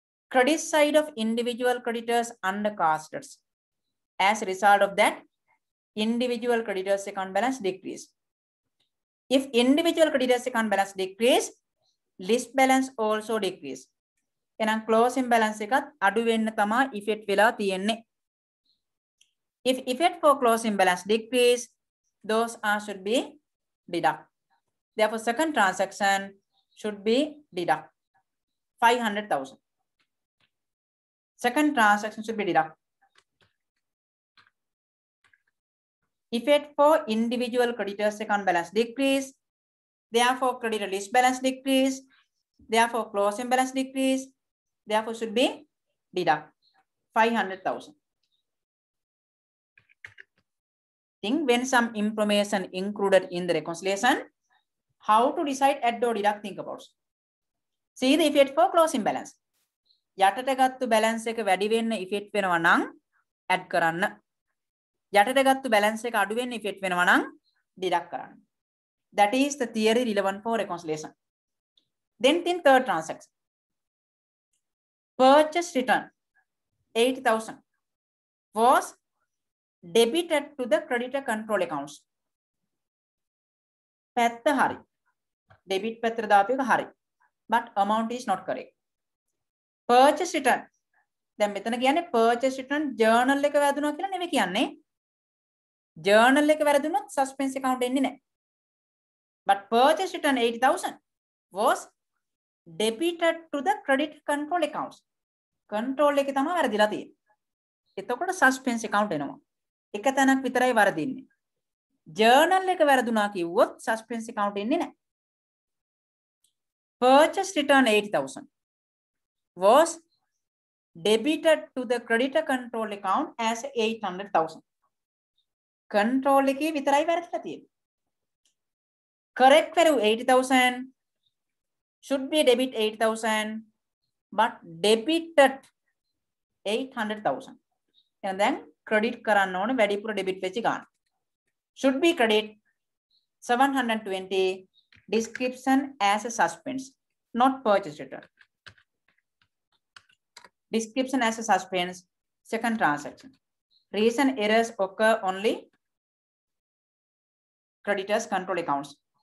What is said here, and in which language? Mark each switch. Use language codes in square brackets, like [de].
[en] Credit side of individual creditors under constants. As a result of that, individual creditors' account balance decrease. If individual creditors' account balance decrease, list balance also decrease. [si] එනම් closing balance එකත් අඩු වෙන්න තමයි effect වෙලා තියෙන්නේ. [en] If effect for closing balance decrease, those are should be deduct. Therefore, second transaction should be deduct. 500,000. Second transaction should be deduct. Effect for individual creditors' account balance decrease. Therefore, creditor list balance decrease. Therefore, closing balance decrease. Therefore, should be deduct 500,000. Think when some information included in the reconciliation, how to decide add or deduct? Think about. See the effect for closing balance. [si] යටට ගත්තු balance එක වැඩි වෙන්න effect වෙනවා නම් add කරන්න. යටට ගත්තු බැලන්ස් එක අඩු වෙන්න ඉෆෙක්ට් වෙනවා නම් ඩිඩක්ට් කරන්න. [en] That is the theory relevant for reconciliation. Then in third transaction. Purchase return 8,000 was debited to the creditor control accounts. [si] පැත්ත හරි. Debit පැත්තට දාපු එක හරි. [en] But amount is not correct. Purchase return. [si] දැන් මෙතන කියන්නේ purchase return journal එක වැදුනා කියලා නෙමෙයි කියන්නේ. Journal එක වැරදුනොත් suspense account එන්නේ නැහැ. [en] But purchase return 8,000 was debited to the credit control accounts. [si] Control එකේ තමයි වැරදිලා තියෙන්නේ. එතකොට suspense account එනවා. එක තැනක් විතරයි වැරදින්නේ. Journal එක වැරදුනා කිව්වොත් suspense account එන්නේ නැහැ. [en] Purchase return 8,000 was debited to the creditor control account as 800,000. [si] Control එක විතරයි වැරදිලා තියෙන්නේ. [en] Correct value 8,000 should be debit 8,000, but debited 800,000. And then [si] credit කරන්න ඕනේ වැඩිපුර debit වෙච්ච ගාන. [en] Should be credit 720 description as a suspense, not purchase return. Description as a suspense, second transaction. Reason errors occur only creditors control accounts.